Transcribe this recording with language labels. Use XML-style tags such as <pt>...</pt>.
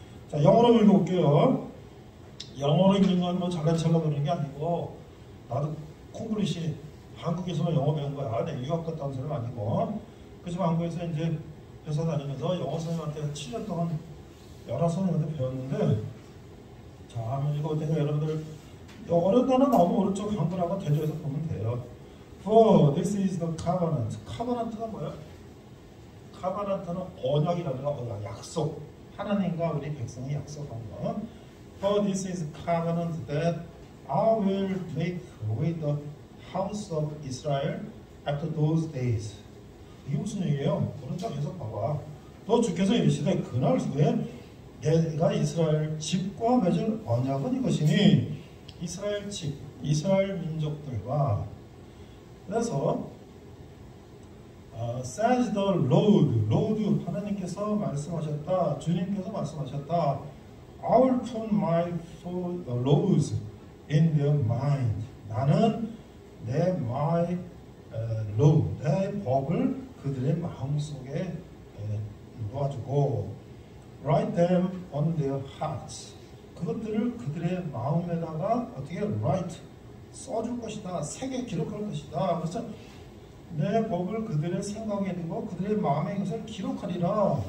<ko>자, 영어로 읽어볼게요. 영어로 읽는 건 뭐 잘난 척하고 그런 게 아니고 나도 콩글리시 한국에서만 영어 배운 거야. 내가 유학 갔다 온 사람 아니고 그래서 한국에서 이제 회사 다니면서 영어 선생님한테 7년 동안 여러 선생님한테 배웠는데 자, 이거 제가 여러분들 어렵다는 너무 오른쪽 강도라고 대조해서 보면 돼요.</ko> <en>For this is the covenant.</en> <ko>Covenant가 뭐야? Covenant는 언약이라든가 뭐야? 약속. 하나님과 우리 백성이 약속한 거.</ko> <en>For this is covenant that I will make with the house of Israel after those days.</en> <ko>이게 무슨 얘기예요? 오른쪽 해석 봐봐. 너 주께서 이르시되 그날 후에 내가 이스라엘 집과 맺을 언약은 이것이니 이스라엘 집, 이스라엘 민족들과 그래서</ko> <en>says the Lord,</en> <ko>Lord 하나님께서 말씀하셨다, 주님께서 말씀하셨다.</ko> <en>I will put my laws in their mind.</en> <ko>나는 내</ko> <en>my</en> <ko>로우의 법을 그들의 마음속에 넣어주고</ko> <en>write them on their hearts.</en> <ko>그것들을 그들의 마음에다가 어떻게 write 써줄 것이다. 세게 기록할 것이다. 그래서 내 법을 그들의 생각에 넣고 그들의 마음에 이것을 기록하리라.</ko>